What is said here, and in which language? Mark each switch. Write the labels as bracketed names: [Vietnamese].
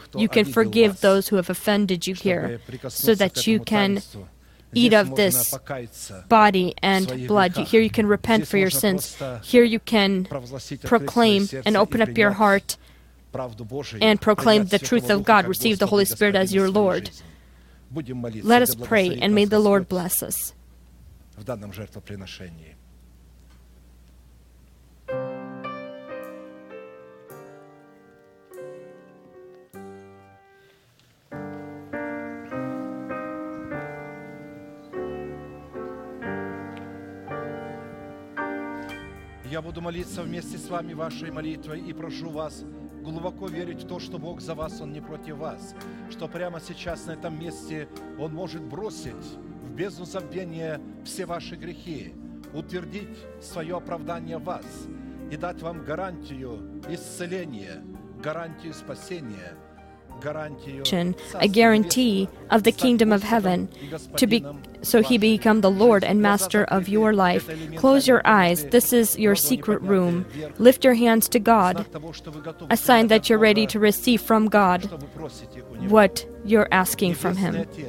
[English] You can forgive those who have offended you here, so that you can eat of this body and blood. Here you can repent for your sins. Here you can proclaim and open up your heart and proclaim the truth of God. Receive the Holy Spirit as your Lord. Let us pray, and may the Lord bless us. [Russian] В данном жертвоприношении. Я буду молиться вместе с вами вашей молитвой и прошу вас глубоко верить в то, что Бог за вас, Он не против вас, что прямо сейчас на этом месте Он может бросить в бездну забвения все ваши грехи, утвердить свое оправдание в вас и дать вам гарантию исцеления, гарантию спасения, гарантию [English] a guarantee of the kingdom of heaven, so he become the Lord and master of your life. Close your eyes. This is your secret room. Lift your hands to God, a sign that you're ready to receive from God what you're asking from him.